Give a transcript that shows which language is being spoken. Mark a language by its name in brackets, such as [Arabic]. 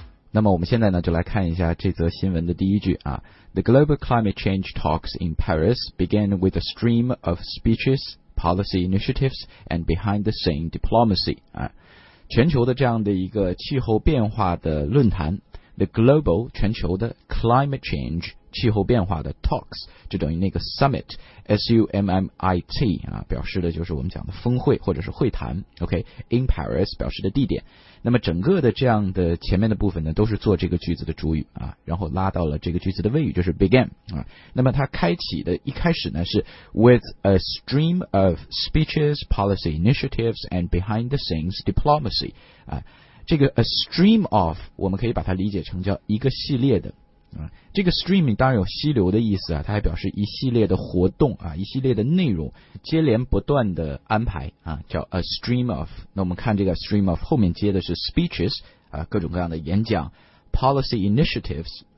[Chinese] 那么我们现在呢，就来看一下这则新闻的第一句啊。 [English] The global climate change talks in Paris began with a stream of speeches, policy initiatives, and behind-the-scenes diplomacy. [Chinese] 啊，全球的这样的一个气候变化的论坛 ，the global 全球的 climate change 气候变化的 talks 就等于那个 summit summit 啊，表示的就是我们讲的峰会或者是会谈。 OK, in Paris 表示的地点。那么整个的这样的前面的部分呢，都是做这个句子的主语啊，然后拉到了这个句子的谓语，就是 began 啊。那么它开启的一开始呢是 [English] with a stream of speeches, policy initiatives, and behind the scenes diplomacy 啊。 [Chinese] 这个 a stream of 我们可以把它理解成叫一个系列的啊。这个 stream 当然有溪流的意思啊，它还表示一系列的活动啊，一系列的内容接连不断的安排啊，叫 a stream of。那我们看这个 stream of 后面接的是 speeches 啊，各种各样的演讲 policy initiatives。